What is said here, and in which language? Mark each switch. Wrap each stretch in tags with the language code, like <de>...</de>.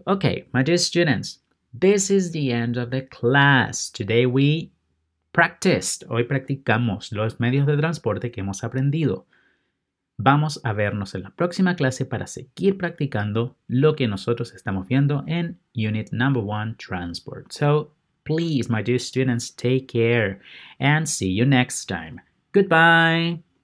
<en>Okay, my dear students, this is the end of the class. Today we practiced.</en> <es>Hoy practicamos los medios de transporte que hemos aprendido. Vamos a vernos en la próxima clase para seguir practicando lo que nosotros estamos viendo en Unit Number 1, Transport.</es> <en>So, please, my dear students, take care and see you next time. Goodbye!</en>